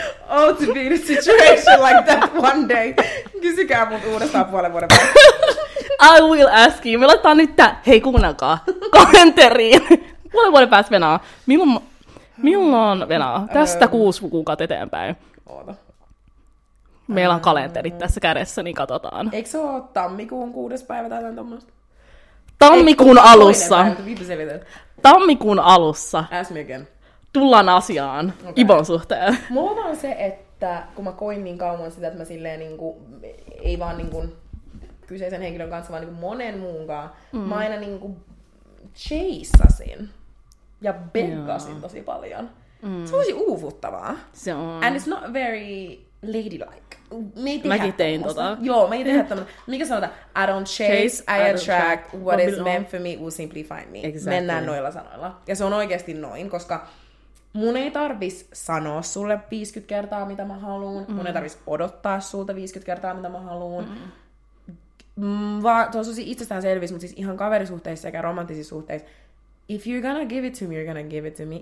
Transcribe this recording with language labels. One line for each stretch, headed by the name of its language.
English: Oh, to be in a situation like that one day.
Finnish: Kysykää mut uudestaan puolen vuoden päästä.
English: I will ask you.
Finnish: Me laitetaan nyt tää. Hei, kuunnelkaa. Kommenteriin. Puolen vuoden päästä venaa. Milloin venaa? Tästä 6 kuukautta eteenpäin. Oota. Meillä on kalenterit tässä kädessä, niin katsotaan. Eikö se ole tammikuun 6. päivä tai jotain tommoista? Tammikuun alussa. Tammikuun alussa.
English: Ask me again.
Finnish: Tullaan asiaan. Okay. Ibon suhteen. Mulla on vaan se, että kun mä koin niin kauan sitä, että mä silleen niin kuin, ei vaan niin kuin kyseisen henkilön kanssa, vaan niin kuin monen muunkaan. Mm. Mä aina niin kuin chaseasin ja bekkasin tosi paljon. Mm. Se on tosi uuvuttavaa. Se on.
English: And it's not very ladylike.
Finnish: Mäkin tein tota. Joo, mä ei tehdä tämmöinen. Mikä sanotaan?
English: I don't chase, I attract. What is meant for me will simply find me. Exactly.
Finnish: Mennään noilla sanoilla. Ja se on oikeasti noin, koska mun ei tarvis sanoa sulle 50 kertaa, mitä mä haluun. Mm. Mun ei tarvis odottaa sulta 50 kertaa, mitä mä haluun. Vaan tuossa on siis itsestäänselvis, mutta siis ihan kaverisuhteissa sekä romanttisissa suhteissa.
English: If you're gonna give it to me, you're gonna give it to me.